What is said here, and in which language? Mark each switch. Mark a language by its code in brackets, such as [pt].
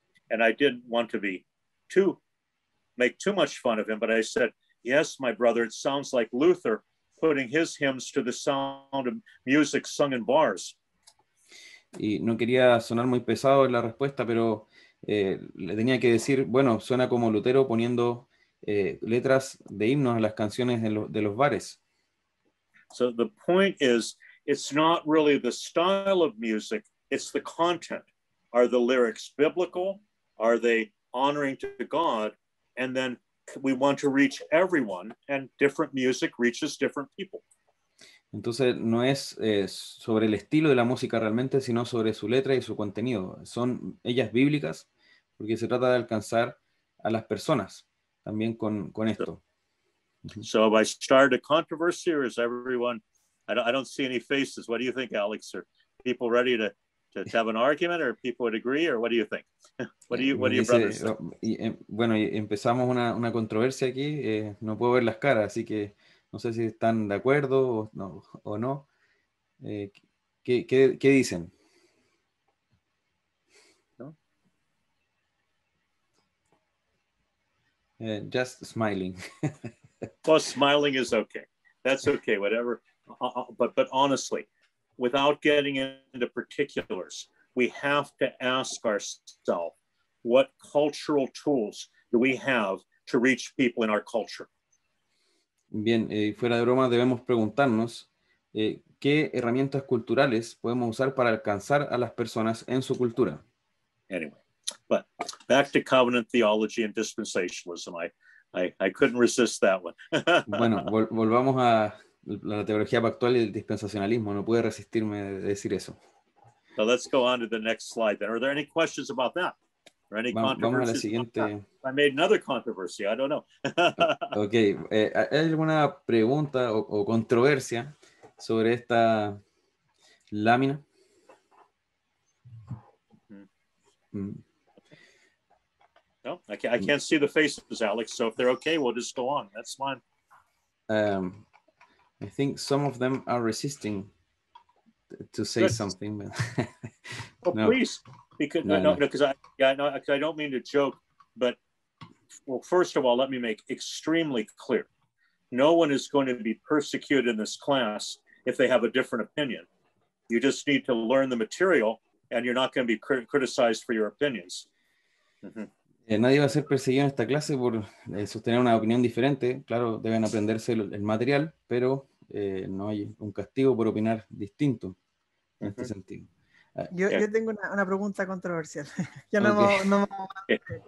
[en] And I didn't want to make too much fun of him, but I said, yes, my brother, it sounds like Luther putting his hymns to the sound of music sung in bars. [es] Y no quería sonar muy pesado en la respuesta, pero le tenía que decir, bueno, suena como Lutero poniendo letras de himnos a las canciones de los bares. [en] So the point is, it's not really the style of music, it's the content. Are the lyrics biblical? Are they honoring to God? And then we want to reach everyone, and different music reaches different people. [es] Entonces, no es sobre el estilo de la música realmente, sino sobre su letra y su contenido. ¿Son ellas bíblicas? Porque se trata de alcanzar a las personas también con esto. [en] So have I started a controversy, or is everyone... I don't see any faces. What do you think, Alex? Are people ready to have an argument, or people would agree, or what do you think? What do your brothers say? [es] Bueno, empezamos una controversia aquí. No puedo ver las caras, así que no sé si están de acuerdo o no. ¿Qué dicen? [en] No. Just smiling. Well, smiling is okay. That's okay. Whatever. But honestly, without getting into particulars, we have to ask ourselves, what cultural tools do we have to reach people in our culture? [es] Bien, fuera de broma, debemos preguntarnos qué herramientas culturales podemos usar para alcanzar a las personas en su cultura. [en] Anyway, but back to covenant theology and dispensationalism. I couldn't resist that one. [es] Bueno, volvamos a la teología pactual y el dispensacionalismo. No pude resistirme a decir eso. [en] So let's go on to the next slide then. Are there any questions about that? Or any [es] vamos a la siguiente. [en] I made another controversy, I don't know. [es] Ok, ¿hay alguna pregunta o controversia sobre esta lámina? [en] No, I can't see the faces, Alex, so if they're okay, we'll just go on. That's fine. I think some of them are resisting to say good. Something. But no. Please, because I don't mean to joke, but well, first of all, let me make extremely clear. No one is going to be persecuted in this class if they have a different opinion. You just need to learn the material and you're not going to be criticized for your opinions. Mm-hmm. [es] Nadie va a ser perseguido en esta clase por sostener una opinión diferente. Claro, deben aprenderse el material, pero no hay un castigo por opinar distinto en este sentido. Yo tengo una pregunta controversial. Ya no, okay.